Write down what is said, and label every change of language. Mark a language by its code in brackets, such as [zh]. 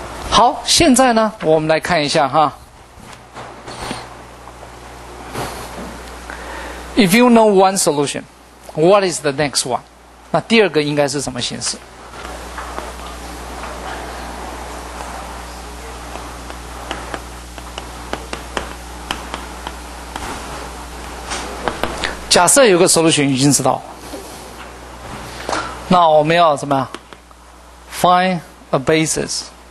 [zh] 好，现在呢，我们来看一下哈。 [en] If you know one solution, what is the next one? [zh] 那第二个应该是什么形式？假设有个 solution 已经知道，那我们要怎么样 ？ [en] Find a basis。